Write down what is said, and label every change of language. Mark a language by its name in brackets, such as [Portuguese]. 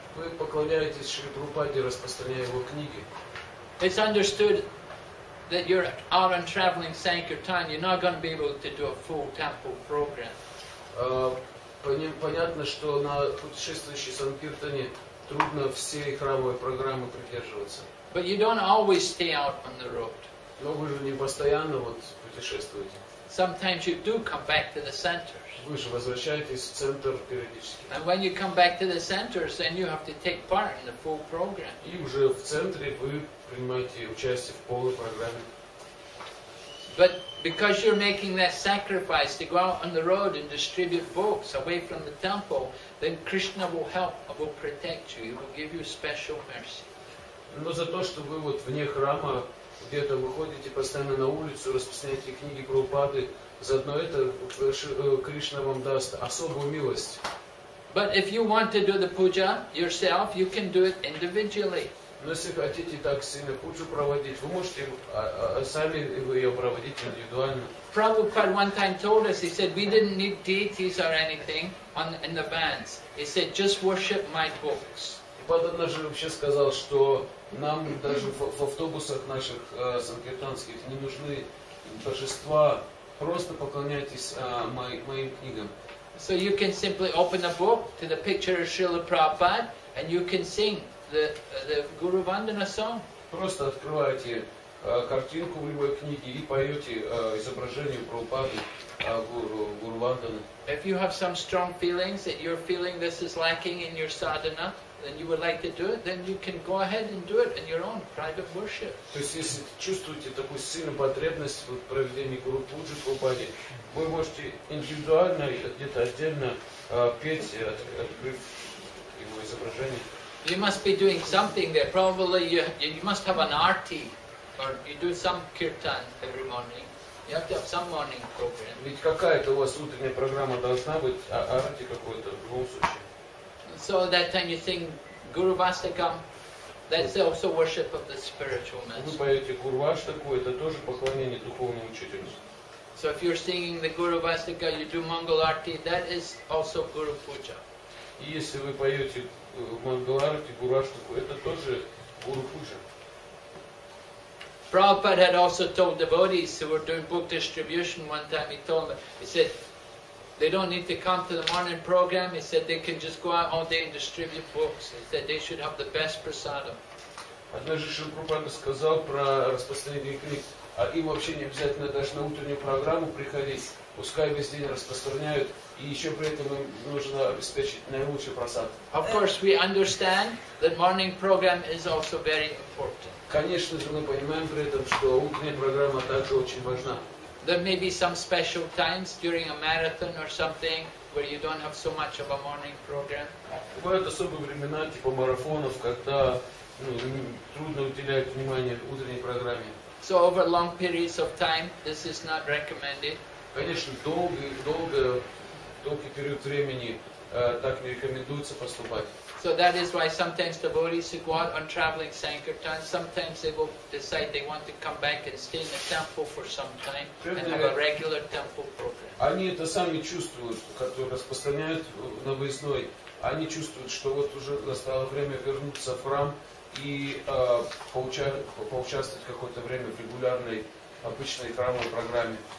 [Russian] Вы поклоняетесь Шри Прабхупаде, распространяя его книги. [English] It's understood that you're out on traveling Sankirtan, you're not going to be able to do a full temple program. [Russian] Понятно, что на путешествующей Санкиртане трудно всей храмовой программы придерживаться. [English] But you don't always stay out on the road. [Russian] Но вы же не постоянно вот путешествуете. [English] Sometimes you do come back to the center. [Russian] Вы же возвращаетесь в центр периодически. [English] And when you come back to the center, then you have to take part in the full program. [Russian] И уже в центре вы принимаете участие в полной программе. [English] But because you're making that sacrifice to go out on the road and distribute books away from the temple, then Krishna will help, will protect you, he will give you special mercy. [Russian] Но за то, что вы вот вне храма где-то выходите постоянно на улицу, распространяете книги Прабхупады, Заодно это Кришна вам даст особую милость. [English] But if you want to do the puja yourself, you can do it individually. [Russian] Но если хотите так сильно пуджу проводить, вы можете сами ее проводить индивидуально. [English] Prabhupada one time told us, he said, we didn't need deities or anything in the bands. He said, just worship my books. [Russian] Падана же вообще сказал, что нам даже в автобусах наших санкиртанских не нужны божества, просто поклоняйтесь моим книгам. [English] So you can simply open a book to the picture of Srila Prabhupada and you can sing the Guru Vandana song. [Russian] Просто открываете картинку в любой книге и поете изображение Прабхупады, Гуру Вандана. [English] If you have some strong feelings that you're feeling this is lacking in your sadhana, then you would like to do it, then you can go ahead and do it in your own private worship. [Russian] То есть если чувствуете такую сильную потребность в проведении Гуру Пуджи Прабхупаде, вы можете индивидуально где-то отдельно петь, открыв его изображение. [English] You must be doing something there. Probably you must have an arti, or you do some kirtan every morning. You have to have some morning program. [Russian] Ведь какая-то у вас утренняя программа должна быть, арти какой-то в любом случае. [English] So that time you sing Guru Vastakam, that's also worship of the spiritual master. [Russian] Вы поете Гуру Вастаку, это тоже поклонение духовному учителю. [English] So if you're singing the Guru Vastaka, you do Mangal Arti, that is also Guru Puja. [Russian] И если вы поете Мангаларти, Гурашнаку, это тоже Гуру Пуджа. [English] Prabhupada had also told devotees who were doing book distribution one time, he told them, he said, they don't need to come to the morning program, he said, they can just go out all day and distribute books. He said, they should have the best prasadam. [Russian] Однажды Шрила Прабхупада сказал про распространение книг, а им вообще не обязательно даже на утреннюю программу приходить, пускай весь день распространяют, и еще при этом им нужно обеспечить наилучший просад. [English] Of course, we understand that morning program is also very important. [Russian] Конечно же, мы понимаем при этом, что утренняя программа также очень важна. [English] There may be some special times during a marathon or something where you don't have so much of a morning program. [Russian] Бывают особые времена, типа марафонов, когда трудно уделять внимание утренней программе. [English] So over long periods of time, this is not recommended. [Russian] Конечно, долгий период времени так не рекомендуется поступать. [English] So that is why sometimes devotees who go out on traveling sankirtan, sometimes they will decide they want to come back and stay in the temple for some time and have a regular temple program. [Russian] Они это сами чувствуют, которые распространяют на выездной. Они чувствуют, что вот уже настало время вернуться в храм и поучаствовать какое-то время в регулярной, обычной храмовой программе.